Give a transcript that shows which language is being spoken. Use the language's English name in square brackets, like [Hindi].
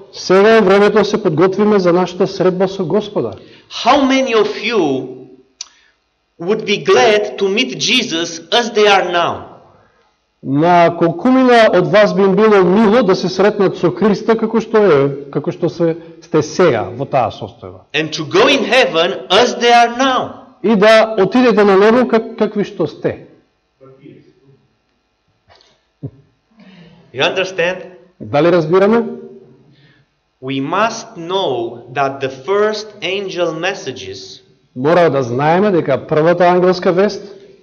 [Macedonian] Сега е времето да се подготвиме за нашата средба со Господа. [English] How many of you would be glad to meet Jesus as they are now? [Macedonian] На колкумина од вас би им било мило да се сретнат со Христа како што е, како што се сте сега во таа состојба. [English] And to go in heaven as they are now. [Macedonian] И да отидете на небо какви што сте. [English] You understand? [Macedonian] Дали разбираме? [English] We must know that the first angel messages, [Macedonian] мора да знаеме дека првата ангелска вест,